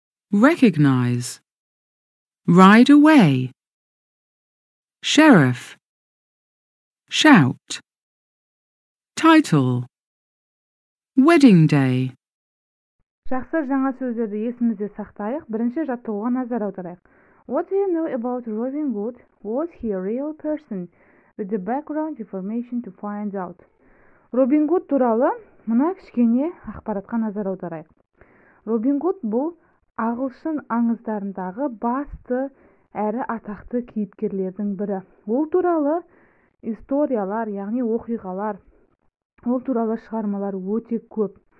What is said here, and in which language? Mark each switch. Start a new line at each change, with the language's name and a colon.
English: Recognize. Ride away. Sheriff. Shout. Title. Wedding day.
Kazakh: Жақсы, жаңа сөздерді есімізде сақтайық. Бірінші жаттығуға назар аударайық.
English: What do you know about Robin Hood? Was he a real person? With the background information to find out.
Kazakh: Робин Гуд туралы мына кішкене ақпаратқа назар аударайық. Робин Гуд бұл ағылшын аңыздарындағы басты әрі атақты кейіпкерлердің бірі. Ол туралы историялар, яғни оқиғалар, ол туралы шығармалар өте көп.